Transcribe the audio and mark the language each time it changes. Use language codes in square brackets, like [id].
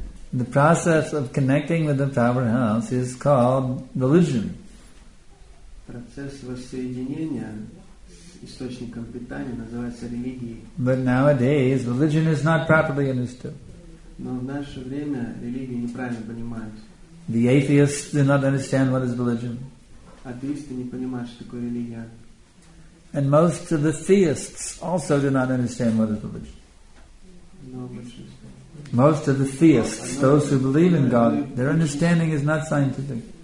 [en] The process of connecting with the powerhouse is called religion. [ru] Процесс воссоединения с источником питания называется религией. [en] But nowadays, religion is not properly understood. [ru] Но в наше время религию неправильно понимают. [en] The atheists do not understand what is religion. [ru] Атеисты не понимают, что такое религия. [en] And most of the theists also do not understand what is religion. Most of the theists, those who believe in God, their understanding is not scientific.